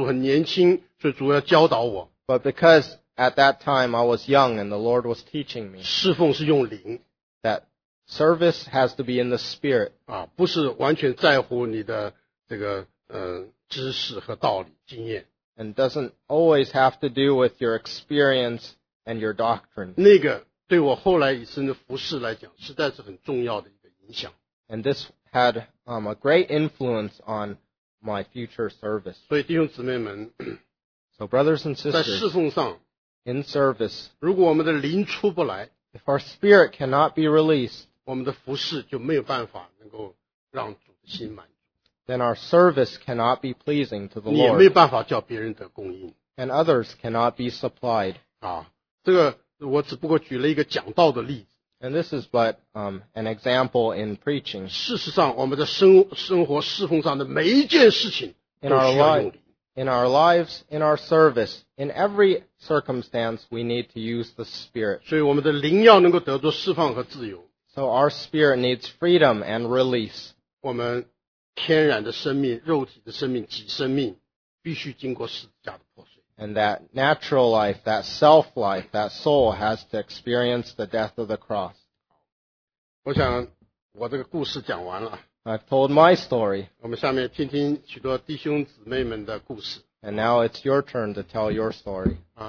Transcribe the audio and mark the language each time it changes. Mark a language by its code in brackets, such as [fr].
[zh] 不过呢，因为主那个时候我刚刚出来侍奉，主很年轻，所以主要教导我。 [en] But because at that time I was young and the Lord was teaching me. [zh] 侍奉是用灵。 [en] That service has to be in the spirit. [zh] 啊，不是完全在乎你的这个知识和道理经验。 [en] And doesn't always have to do with your experience. And your doctrine. [zh] 那个对我后来以身的服事来讲，实在是很重要的一个影响。 [en] And this had a great influence on my future service. [zh] 所以弟兄姊妹们, [en] so brothers and sisters, [zh] 在侍奉上, [en] in service, [zh] 如果我们的灵出不来, [en] if our spirit cannot be released, [zh] 我们的服事就没有办法能够让主的心满足, [en] then our service cannot be pleasing to the Lord. [zh] 你也没办法叫别人得供应, [en] and others cannot be supplied. [zh] 啊, 这个我只不过举了一个讲道的例子。 [en] And this is but an example in preaching. [zh] 事实上我们的生活侍奉上的每一件事情 [en] In our lives, in our service, in every circumstance, we need to use the Spirit. [zh] 所以我们的灵要能够得到释放和自由。 [en] So our spirit needs freedom and release. [zh] 我们天然的生命、肉体的生命、己生命必须经过十字架的破碎。 [en] And that natural life, that self life, that soul has to experience the death of the cross. [zh] 我想我这个故事讲完了。 [en] I've told my story. [zh] 我们下面听听许多弟兄姊妹们的故事。 [en] And now it's your turn to tell your story.